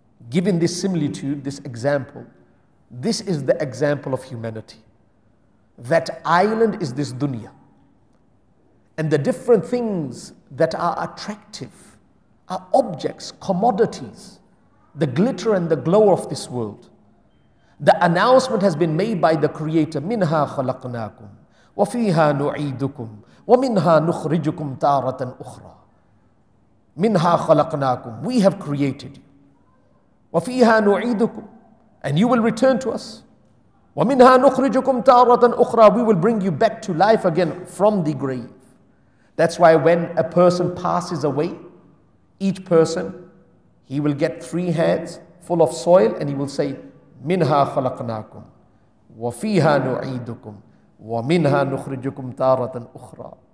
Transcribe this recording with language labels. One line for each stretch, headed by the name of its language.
English: Given this similitude, this example, this is the example of humanity. That island is this dunya. And the different things that are attractive are objects, commodities, the glitter and the glow of this world. The announcement has been made by the Creator,
Arabic: مِنْهَا خَلَقْنَاكُمْ وَفِيهَا نُعِيدُكُمْ وَمِنْهَا نُخْرِجُكُمْ تَارَةً أُخْرَى مِنْهَا خَلَقْنَاكُمْ.
English: We have created you.
Arabic: وَفِيهَا نُعِيدُكُمْ.
English: And you will return to us.
Arabic: وَمِنْهَا نُخْرِجُكُمْ تَارَةً أُخْرَى.
English: We will bring you back to life again from the grave. That's why when a person passes away, each person, he will get 3 hands full of soil and he will say,
Arabic: مِنْهَا خَلَقْنَاكُمْ وَفِيهَا نُعِيدُكُمْ وَمِنْهَا نُخْرِجُكُمْ تَارَةً أُخْرَى.